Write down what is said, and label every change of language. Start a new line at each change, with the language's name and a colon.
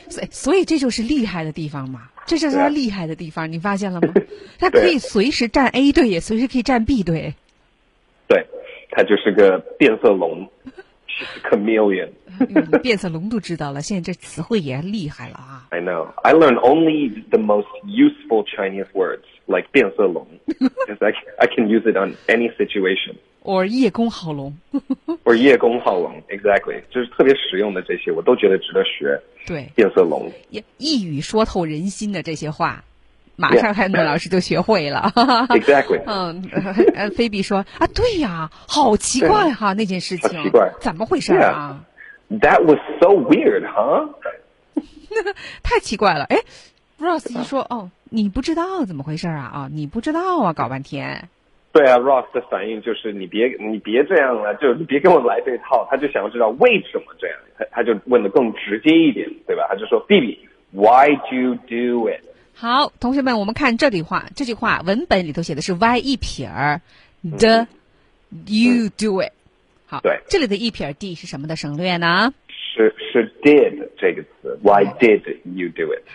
Chinese: 所以这就是厉害的地方嘛，这就是他厉害的地方，你发现了吗？他可以随时站 A 队，也随时可以站 B 队。对，他就是个变色龙。Chameleon 变色龙都知道了，现在这词汇也厉害了啊。
English: I know. I learned only the most useful Chinese words, like 变色龙. I can use it on any situation. Or 叶公好龙. Or 叶公好龙, exactly.
Chinese: 就是特别实用的这些，我都觉得值得学。对，变色龙。一语说透人心的这些话。马上汉顿老师就学会了、
English: yeah. Exactly.
Chinese: 嗯，菲比说啊，对呀，好奇怪哈、啊、那件事情，好奇怪，怎么回事啊、
English: yeah. That was so weird, huh?
Chinese: 太奇怪了。哎 ，Ross 一说哦，你不知道怎么回事啊？啊、哦，你不知道啊？搞半天。对啊 ，Ross 的反应就是你别这样了，就你别跟我来这套。他就想要知道为什么这样，他就问的更直接一点，对吧？他就说，菲比 ，
English: Why do you do it?
Chinese: 好，同学们，我们看这句话。这句话文本里头写的是 y 一撇儿 ，the、嗯、you do it。好，对，这里的一撇儿 d 是什么的省略呢？是 did 这个词 ，
English: why did you do it？